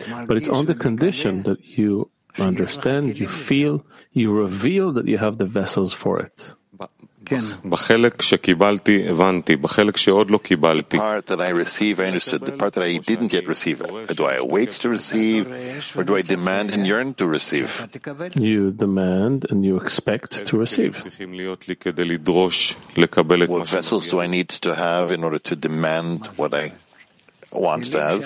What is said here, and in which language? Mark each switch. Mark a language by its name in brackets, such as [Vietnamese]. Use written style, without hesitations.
[English] But it's on the condition that you understand, you feel, you reveal that you have the vessels for it. [Hebrew] בחלק שקיבלתי הבנתי, בחלק שעוד לא קיבלתי. [English] The part that I receive, I understood. The part that I didn't yet receive, do I wait to receive, or do I demand and yearn to receive? You demand and you expect to receive. What vessels do I need to have in order to demand what I want to have?